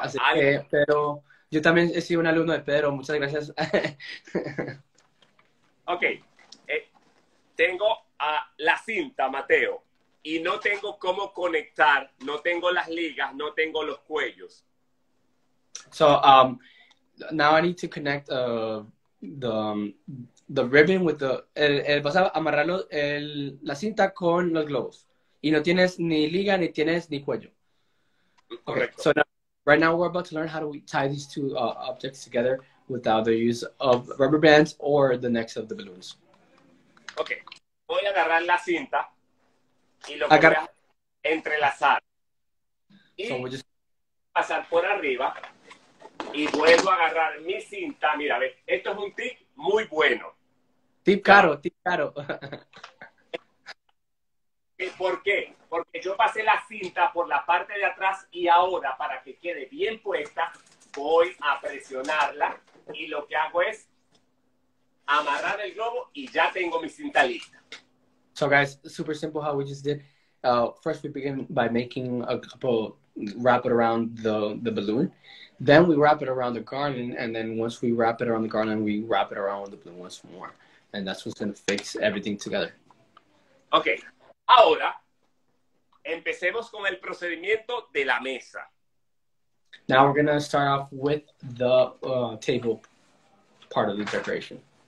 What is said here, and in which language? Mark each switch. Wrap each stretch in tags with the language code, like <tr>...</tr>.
<es>así que, pero yo también he sido un alumno de Pedro, muchas gracias. Ok, tengo la cinta, Mateo, y no tengo cómo conectar, no tengo las ligas, no tengo los cuellos.</es> <en>So, now I need to connect the ribbon with the...</en> <es>vas a amarrar la cinta con los globos, y no tienes ni liga, ni tienes ni cuello. Correcto.</es> <en>Okay, so right now, we're about to learn how to tie these two objects together without the use of rubber bands or the necks of the balloons. Okay.</en> <es>Voy a agarrar la cinta y lo voy a entrelazar. Y</es> <en>so we'll just</en> <es>pasar por arriba y vuelvo a agarrar mi cinta. Mira, a ver, esto es un tip muy bueno. Tip caro, ¿sabes? Tip caro. ¿Por qué? Porque yo pasé la cinta por la parte de atrás y ahora, para que quede bien puesta, voy a presionarla y lo que hago es amarrar el globo y ya tengo mi cinta lista.</es> <en>So guys, super simple how we just did. First we begin by making a couple, wrap it around the balloon. Then we wrap it around the garland, and then once we wrap it around the garland, we wrap it around the balloon once more. And that's what's going to fix everything together. Okay.</en> <es>Ahora, empecemos con el procedimiento de la mesa.</es> <en>Now we're going to start off with the table part of the decoration.</en>